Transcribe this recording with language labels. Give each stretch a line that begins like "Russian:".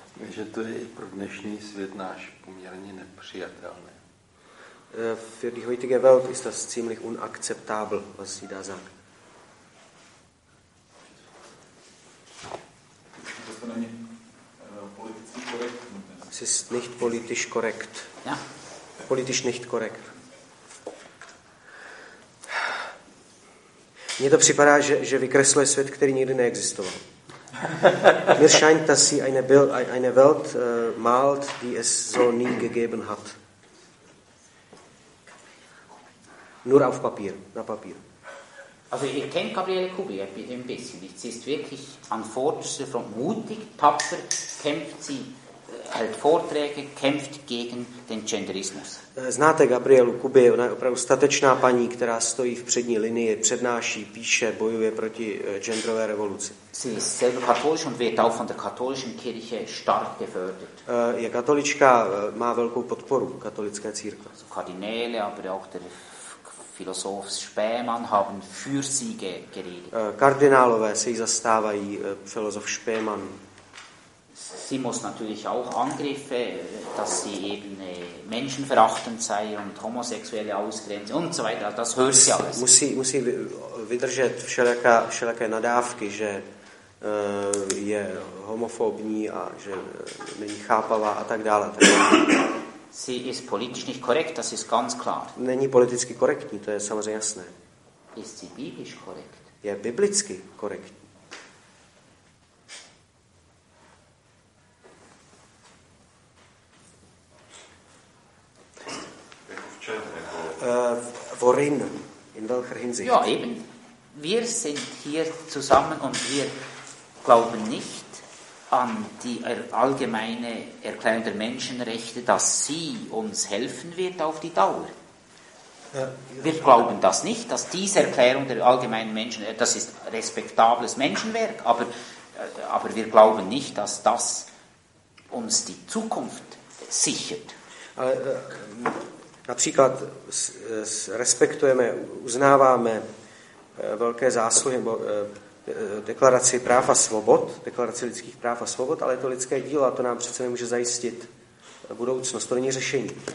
Czech: Že to je pro dnešní svět náš poměrně nepřijatelné.
German: Für die heutige Welt ist das ziemlich unakzeptabel, was sie da sagen. Es ist nicht politisch korrekt. Ja. Politisch nicht korrekt.
Czech: Mně to připadá, že vykresluje svět, který nikdy neexistoval.
German: Mir scheint, dass sie eine Welt malt, die es so nie gegeben hat. Nur auf Papier, na Papier. Also ich kenne Gabriele Kubier ein bisschen. Sie ist wirklich an vorderster Front mutig, tapfer, kämpft sie, hält Vorträge, kämpft gegen den Genderismus.
Czech: Znáte Gabrielu Kubier, ona je opravdu statečná paní, která stojí v přední linii, přednáší, píše, bojuje proti genderové revoluci.
German: Sie ist selber katholisch und wird auch von der katholischen Kirche stark gefördert.
Czech: Je katolička, má velkou podporu katolické církve.
German: Also Kardinäle, aber auch der Philosoph Spemann haben für sie geredet.
Czech: Kardinálové se jí zastávají, filozof Spemann.
German: Sie muss natürlich auch Angriffe, dass sie eben menschenverachtend sei und homosexuelle ausgrenze und so weiter. Das hört sie alles.
Czech: Musí vydržet všelijaké nadávky, že je homofobní a že není chápavá a tak dále.
German: Sie ist politisch nicht korrekt, das ist ganz klar.
Czech: Není politicky korektní, to je samozřejmě jasné.
German: Ist sie biblisch korrekt?
Czech: Je biblicky korektní.
German: Worin in welcher Hinsicht? Ja, eben. Wir sind hier zusammen und wir glauben nicht an die allgemeine Erklärung der Menschenrechte, dass sie uns helfen wird auf die Dauer. Wir glauben das nicht, dass diese Erklärung der allgemeinen Menschenrechte, das ist respektables Menschenwerk, aber wir glauben nicht, dass das uns die Zukunft sichert.
Czech: Například respektujeme, uznáváme velké zásluhy nebo deklaraci práv a svobod, deklaraci lidských práv a svobod, ale je to lidské dílo a to nám přece nemůže zajistit budoucnost. To není řešení.